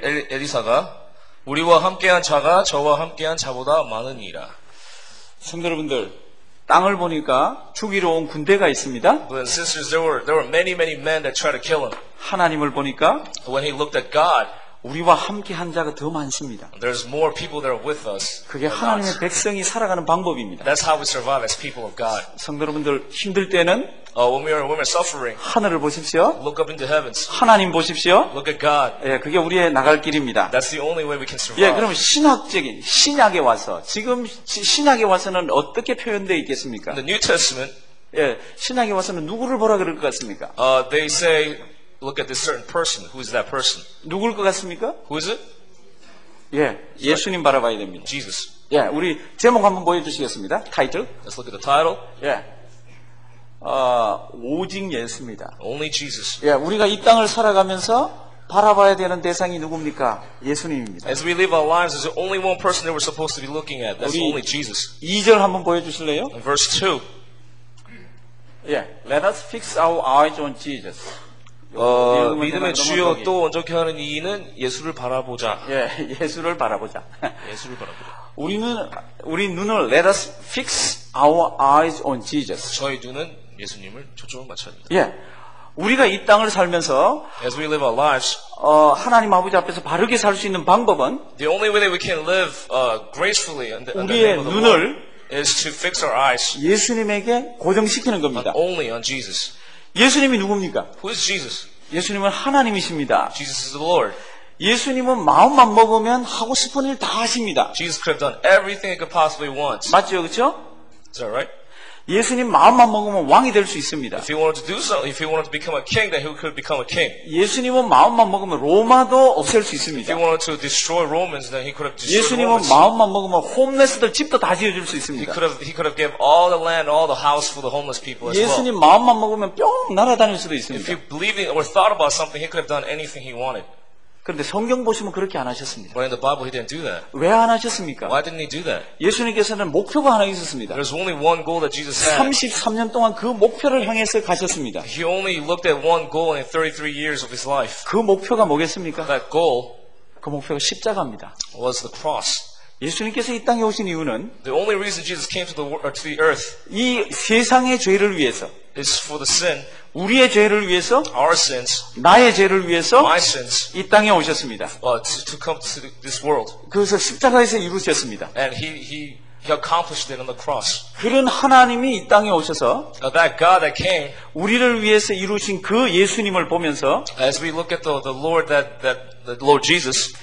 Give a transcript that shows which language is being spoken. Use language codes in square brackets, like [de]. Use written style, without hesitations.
[ko] 엘리사가 우리와 함께한 자가 저와 함께한 자보다 많으니라. 성도 여러분들. 땅을 보니까 죽이러 온 군대가 있습니다. [en] When sisters, there were many, many men that tried to kill him. [ko] 하나님을 보니까 [en] When he looked at God, [ko] 우리와 함께한 자가 더 많습니다. [en] There's more people that are with us. [ko] 그게 하나님의 [en] not. [ko] 백성이 살아가는 방법입니다. [en] That's how we survive as people of God. [ko] 성도 여러분들 힘들 때는 [en] when we are suffering, [ko] 하늘을 보십시오. [en] Look up into heavens. [ko] 하나님 보십시오. [en] Look at God. [ko] 예, 그게 우리의 나갈 길입니다. [en] That's the only way we can survive. [ko] 예, 그러면 신학적인 신약에 와서 지금 신약에 와서는 어떻게 표현되어 있겠습니까? [en] In the New Testament. [ko] 예, 신약에 와서는 누구를 보라 그럴 것 같습니까? [en] They say look at this certain person. Who is that person? [ko] 누굴 것 같습니까? [en] Who is it? [ko] 예, 예수님 바라봐야 됩니다. [en] Jesus. [ko] 예, 우리 제목 한번 보여 주시겠습니다. 타이틀. [en] Let's look at the title. [ko] 예. 오직 예수입니다. [en] Only Jesus. [ko] 예, 우리가 이 땅을 살아가면서 바라봐야 되는 대상이 누굽니까? 예수님입니다. [en] As we live our lives, there's only one person that we're supposed to be looking at. That's only Jesus. [ko] 2절 한번 보여 주실래요? [en] Verse 2. 예, let us fix our eyes on Jesus. [ko] 믿음의 주여 또 온전케 하는 이는 예수를 바라보자. 예, 예수를 바라보자. 예수를 바라보자. 우리 눈을 [en] let us fix our eyes on Jesus. [ko] 저희 눈은 예수님을 초점을 맞춰야 됩니다. 예. 우리가 이 땅을 살면서 [en] As we live our lives, [ko] 하나님 아버지 앞에서 바르게 살 수 있는 방법은 [en] The only way that we can live gracefully under the name of the Lord [ko] 우리의 눈을 [en] is to fix our eyes [ko] 예수님에게 고정시키는 겁니다. [en] But only on Jesus. [ko] 예수님이 누굽니까? [en] Who is Jesus? [ko] 예수님은 하나님이십니다. [en] Jesus is the Lord. [ko] 예수님은 마음만 먹으면 하고 싶은 일 다 하십니다. [en] Jesus could have done everything he could possibly want. [ko] 맞죠, 그렇죠? [en] Is that right? [ko] 예수님 마음만 먹으면 왕이 될 수 있습니다. [en] If he wanted to do something, if he wanted to become a king, then he could become a king. [ko] 예수님은 마음만 먹으면 로마도 없앨 수 있습니다. [en] If he wanted to destroy Romans, then he could have destroyed. [ko] 예수님은 [en] Romans. [ko] 마음만 먹으면 홈레스들 집도 다 지어줄 수 있습니다. [en] He could have gave all the land, all the house for the homeless people as well. [ko] 예수님 마음만 먹으면 뿅 날아다닐 수도 있습니다. [en] If he believed or thought about something, he could have done anything he wanted. [ko] 그런데 성경 보시면 그렇게 안 하셨습니다. [en] But in the Bible, he didn't do that. [ko] 왜 안 하셨습니까? [en] Why didn't he do that? [ko] 예수님께서는 목표가 하나 있었습니다. [en] There's only one goal that Jesus had. [ko] 33년 동안 그 목표를 향해서 가셨습니다. [en] He only looked at one goal in 33 years of his life. [ko] 그 목표가 뭐겠습니까? [en] That goal. [ko] 그 목표가 십자가입니다. [en] Was the cross. [ko] 예수님께서 이 땅에 오신 이유는 [en] The only reason Jesus came to the earth. [ko] 이 세상의 죄를 위해서. [en] Is for the sin. [ko] 우리의 죄를 위해서 [en] Our sins, [ko] 나의 죄를 위해서 [en] my sins, [ko] 이 땅에 오셨습니다. [en] To come to this world. [ko] 그래서 십자가에서 이루셨습니다. [en] And he accomplished it on the cross. [ko] 그런 하나님이 이 땅에 오셔서 [en] that God that came, [ko] 우리를 위해서 이루신 그 예수님을 보면서 [en] As we look at the Lord that Lord Jesus,